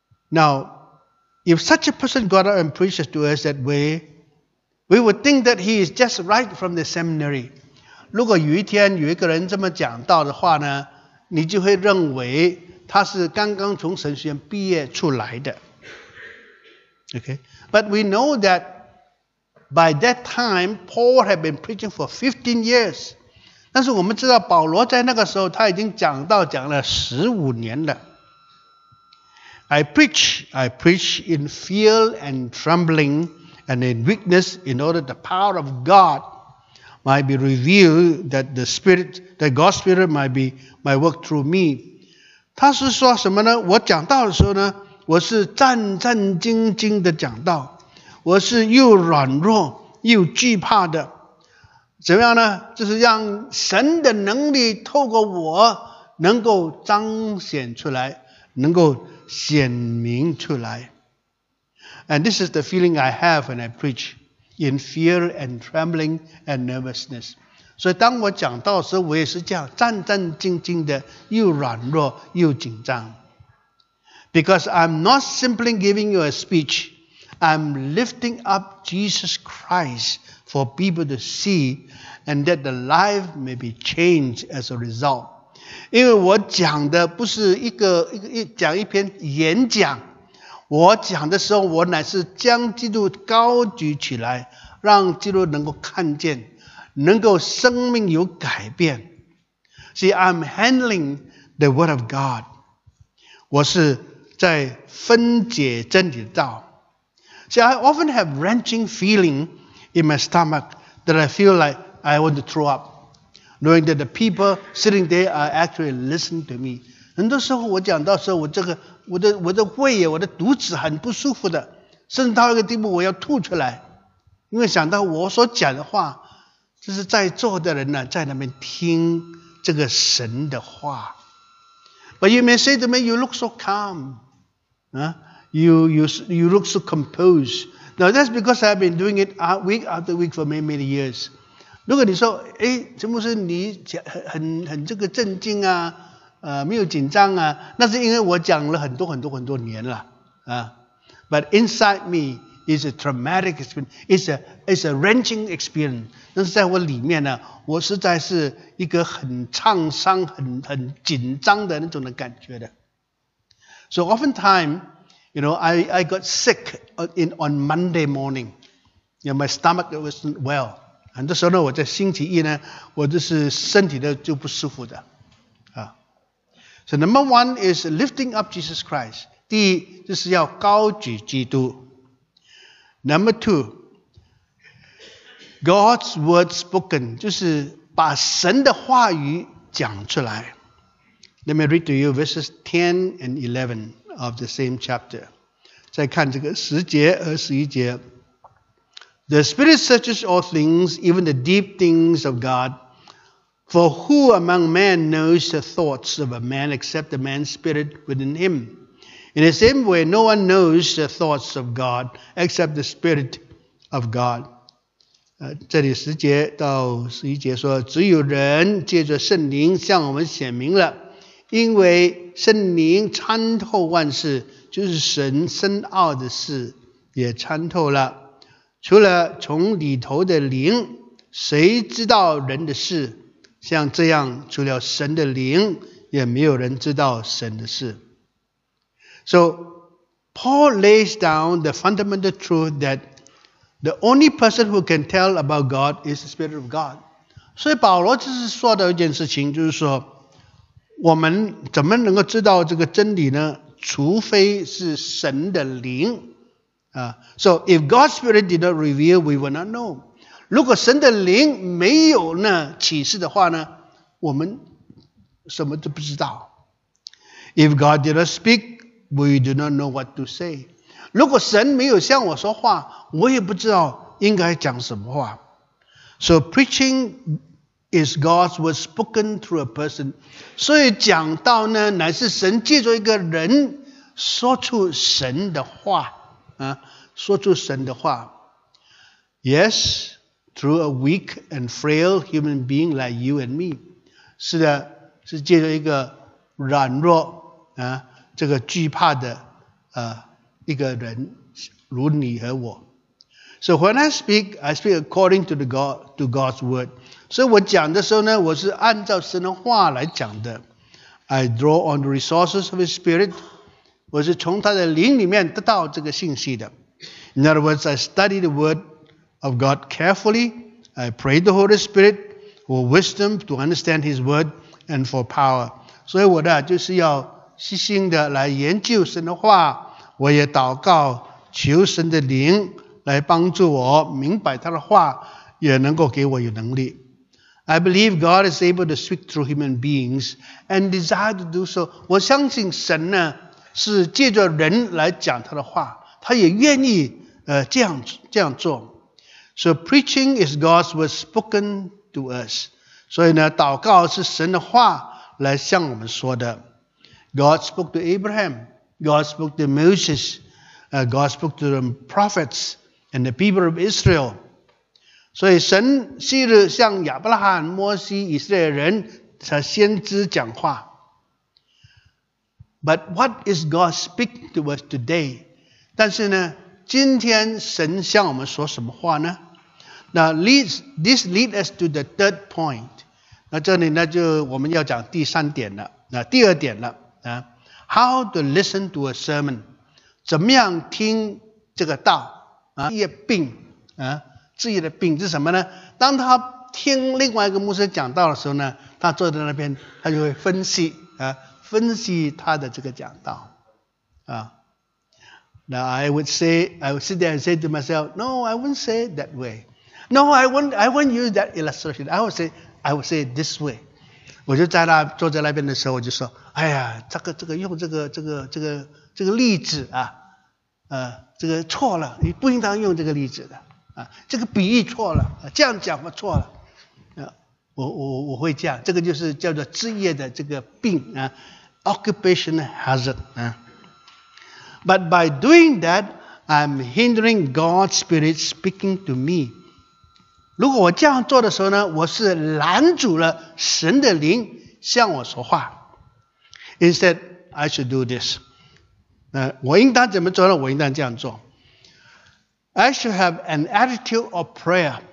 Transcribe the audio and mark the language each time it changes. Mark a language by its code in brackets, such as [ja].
[en] Now, if such a person got up and preached to us that way, we would think that he is just right from the seminary. [zh] 如果有一天有一个人这么讲道的话呢，你就会认为他是刚刚从神学院毕业出来的。 [en] Okay, but we know that. By that time, Paul had been preaching for 15 years. [zh] 但是我们知道保罗在那个时候他已经讲道讲了15年了。 [en] I preach in fear and trembling and in weakness in order the power of God might be revealed that the Spirit, the God's Spirit might work through me. [zh] 他是说什么呢？我讲道的时候呢，我是战战兢兢的讲道。我是又软弱又惧怕的，怎么样呢？就是让神的能力透过我能够彰显出来，能够显明出来。 [en] And this is the feeling I have when I preach in fear and trembling and nervousness. [zh] 所以当我讲到时，我也是这样战战兢兢的，又软弱又紧张。 [en] Because I'm not simply giving you a speech. I'm lifting up Jesus Christ for people to see and that the life may be changed as a result. [zh] 因为我讲的不是讲一篇演讲，我讲的时候我乃是将基督高举起来，让基督能够看见，能够生命有改变。 [en] See, I'm handling the word of God. [zh] 我是在分解真理的道。 [en] See, I often have wrenching feeling in my stomach that I feel like I want to throw up, knowing that the people sitting there are actually listening to me. [zh] 很多时候我讲到时候，我的胃呀，我的肚子很不舒服的，甚至到一个地步我要吐出来，因为想到我所讲的话，就是在座的人呢在那边听这个神的话。 [en] But you may say to me, you look so calm, You look so composed. Now that's because I've been doing it week after week for many, many years. [zh] 如果你说，哎，陈牧师，你很这个镇静啊，没有紧张啊，那是因为我讲了很多很多很多年了啊。 [en] But inside me is a traumatic experience, is a wrenching experience. [zh] 但是在我里面呢，我实在是一个很创伤、很紧张的那种的感觉的。 [en] So oftentimes, you know, I got sick on Monday morning. You know, my stomach wasn't well. [zh] 很多时候呢，我在星期一呢，我就是身体的就不舒服的，啊。 [en] So number one is lifting up Jesus Christ. [zh] 第一就是要高举基督。 [en] Number two, God's word spoken [zh] 就是把神的话语讲出来。 [en] Let me read to you verses 10 and 11 of the same chapter. [zh] 再看这个十节和十一节。 [en] The Spirit searches all things, even the deep things of God. For who among men knows the thoughts of a man except the man's spirit within him? In the same way, no one knows the thoughts of God except the Spirit of God. [zh] 这里十节到十一节说，只有人借着圣灵向我们显明了，因为圣灵参透万事，就是神深奥的事也参透了。除了从里头的灵，谁知道人的事？像这样，除了神的灵，也没有人知道神的事。 [en] So, Paul lays down the fundamental truth that the only person who can tell about God is the Spirit of God. [zh] 所以保罗就是说到一件事情，就是说，我们怎么能够知道这个真理呢？除非是神的灵。 [en] So if God's Spirit did not reveal, we will not know. [zh] 如果神的灵没有呢启示的话呢，我们什么都不知道。 [en] If God did not speak, we do not know what to say. [zh] 如果神没有向我说话，我也不知道应该讲什么话。 [en] So preaching is God's word spoken through a person. [zh] 所以讲道呢，乃是神借着一个人说出神的话。说出神的话。 [en] Yes, through a weak and frail human being like you and me. [zh] 是的，是借着一个软弱这个惧怕的一个人如你和我。 [en] So when I speak according to God's word. [zh] 所以我讲的时候呢，我是按照神的话来讲的。 [en] I draw on the resources of his spirit. [zh] 我是从他的灵里面得到这个信息的。 [en] In other words, I study the word of God carefully. I pray the Holy Spirit for wisdom to understand his word and for power. [zh] 所以我的就是要细心的来研究神的话。我也祷告求神的灵来帮助我明白他的话，也能够给我有能力。 [en] I believe God is able to speak through human beings and desire to do so. [zh] 我相信神呢是借着人来讲他的话，他也愿意这样做。 [en] So preaching is God's word spoken to us. [zh] 所以呢，祷告是神的话来向我们说的。 [en] God spoke to Abraham, God spoke to Moses, God spoke to the prophets and the people of Israel. [zh] 所以神昔日向亚伯拉罕、摩西、以色列人他先知讲话。 [en] But what is God speak to us today? [zh] 但是呢，今天神向我们说什么话呢？ [en] Now this leads us to the third point. [zh] 那这里呢，就我们要讲第三点了，那第二点了啊。 [en] How to listen to a sermon? [zh] 怎么样听这个道啊？治病啊，治愈的病是什么呢？当他听另外一个牧师讲道的时候呢，他坐在那边，他就会分析啊。分析他的这个讲道啊。 [en] Now I would sit there and say to myself, No, I wouldn't say it that way. No, I wouldn't use that illustration. I would say it this way. [zh] 我就在那坐在那边的时候，我就说，哎呀，这个用这个例子啊，这个错了，你不应当用这个例子的啊，这个比喻错了，这样讲嘛错了。我会这样，这个就是叫做职业的这个病啊 ， [en] occupational hazard [zh] 啊。 [en] But by doing that, I'm hindering God's Spirit speaking to me. [zh] 如果我这样做的时候呢，我是拦阻了神的灵向我说话。 [en] Instead, I should do this. [zh] 我应当怎么做呢？我应当这样做。 [en] I should have an attitude of prayer.